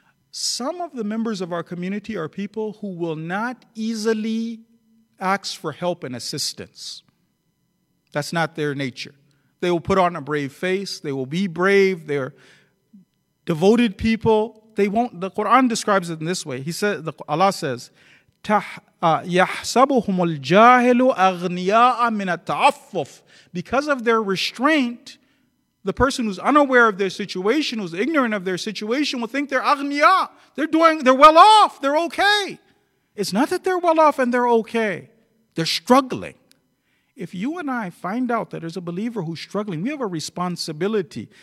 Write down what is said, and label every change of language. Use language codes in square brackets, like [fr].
[en] Some of the members of our community are people who will not easily ask for help and assistance. That's not their nature. They will put on a brave face. They will be brave. They're devoted people. They won't. The Quran describes it in this way. Allah says, [ar] يَحْسَبُهُمُ الْجَاهِلُ أَغْنِيَاءَ مِنَ التَّعَفُّفِ. [en] Because of their restraint, the person who's unaware of their situation, who's ignorant of their situation, will think they're aghniya. They're well off. They're okay. It's not that they're well off and they're okay. They're struggling. If you and I find out that there's a believer who's struggling, we have a responsibility.